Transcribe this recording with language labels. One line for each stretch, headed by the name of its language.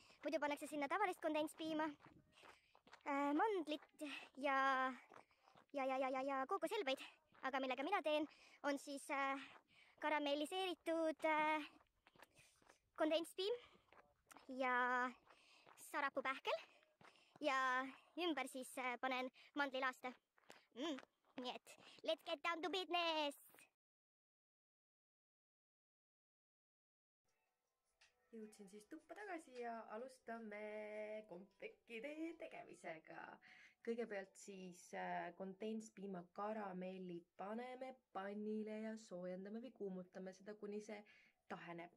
Estonian: Muidu pannakse sinna tavalist kondentspiima, mandlit ja kookoselbeid. Aga millega mina teen, on siis karamelliseeritud kondentspiim ja sarapu pähkel ja ümber siis panen mandlilaaste. Nii et,
English: let's get down to business!
Estonian: Jõudsin siis tuppa tagasi ja alustame kompvekkide tegemisega. Kõigepealt siis kondentspiima karamelli paneme pannile ja soojendame või kuumutame seda, kuni see taheneb.